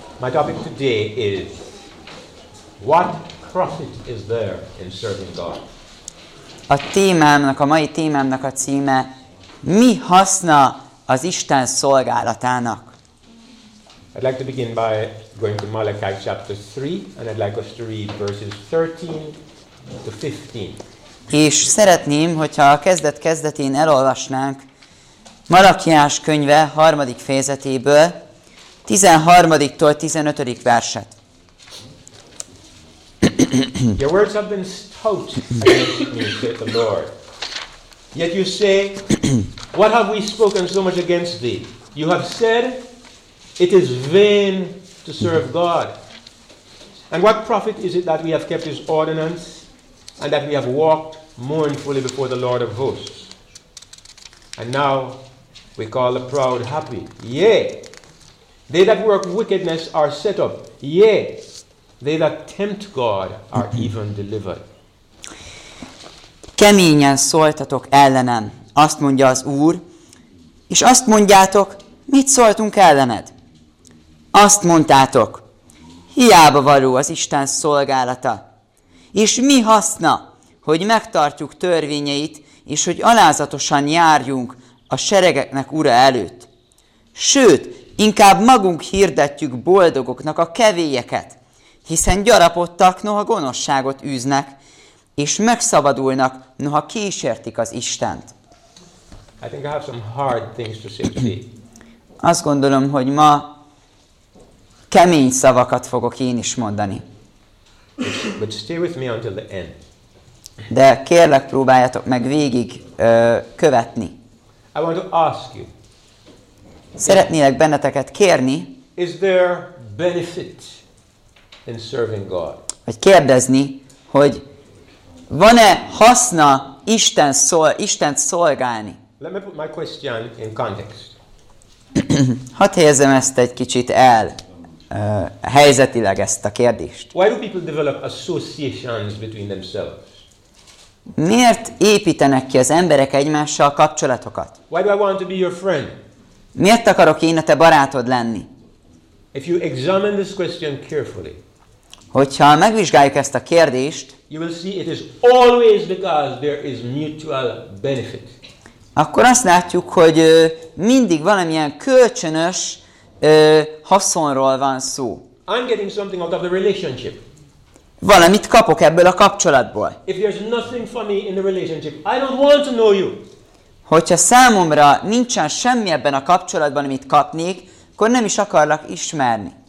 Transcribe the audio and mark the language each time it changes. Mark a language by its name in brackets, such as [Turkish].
[English] My topic today is, what profit is there in serving God? [Hungarian] A témámnak, a mai témámnak a címe, mi haszna az Isten szolgálatának? [English] I'd like to begin by going to Malachi chapter 3, and I'd like us to read verses 13 to 15. [Hungarian] És szeretném, hogyha a kezdet-kezdetén elolvasnánk Malachiás könyve 3. fejezetéből, 13-tól 15. verset. [English] Your words have been stout against me, said the Lord. Yet you say, what have we spoken so much against thee? You have said, it is vain to serve God. And what profit is it that we have kept his ordinance and that we have walked mournfully before the Lord of hosts? And now we call the proud happy. Yea, they that work wickedness are set up. Yea, they that tempt God are even delivered. [Hungarian] Keményen szóltatok ellenem, azt mondja az Úr, és azt mondjátok, mit szóltunk ellened? Azt mondtátok, hiába való az Isten szolgálata, és mi haszna, hogy megtartjuk törvényeit, és hogy alázatosan járjunk a seregeknek ura előtt. Sőt, inkább magunk hirdetjük boldogoknak a kevélyeket, hiszen gyarapodtak, noha gonoszságot űznek, és megszabadulnak, noha kísértik az Istent. [English] I think I have some hard things to say today. [Hungarian] Azt gondolom, hogy ma kemény szavakat fogok én is mondani. [English] But stay with me until the end. [Hungarian] De kérlek, próbáljátok meg végig követni. [English] I want to ask you, [Hungarian] szeretnélek benneteket kérni, [English] is there benefit in serving God? [Hungarian] Vagy kérdezni, hogy van-e haszna Isten Istent szolgálni? [English] Let me put my question in context. [Hungarian] Hadd helyezem ezt egy kicsit el, helyzetileg ezt a kérdést. [English] Why do people develop associations between themselves? [Hungarian] Miért építenek ki az emberek egymással kapcsolatokat? [English] Why do I want to be your friend? [Hungarian] Miért akarok én a te barátod lenni? [English] If you examine this question carefully, [Hungarian] hogyha megvizsgáljuk ezt a kérdést, [English] you will see it is always because there is mutual benefit. [Hungarian] Akkor azt látjuk, hogy mindig valamilyen kölcsönös haszonról van szó. [English] I'm getting something out of the relationship. [Hungarian] Valamit kapok ebből a kapcsolatból. [English] If there's nothing for me in the relationship, I don't want to know you. [Hungarian] Hogyha számomra nincsen semmi ebben a kapcsolatban, amit kapnék, akkor nem is akarlak ismerni.